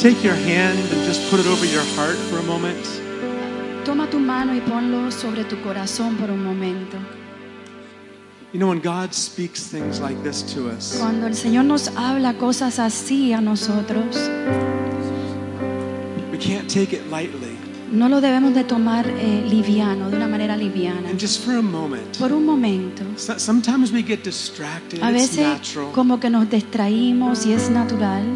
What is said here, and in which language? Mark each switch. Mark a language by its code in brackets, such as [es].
[en] Take your hand and just put it over your heart for a moment. [es] Toma tu mano y ponlo sobre tu corazón por un momento. [en] You know, when God speaks things like this to us, [es] cuando el Señor nos habla cosas así a nosotros, [en] we can't take it lightly. [es] No lo debemos de tomar liviano, de una manera liviana. [en] And just for a moment, [es] por un momento. [en] Sometimes we get distracted. [es] A veces, [en] it's natural. [es] Como que nos distraímos y es natural.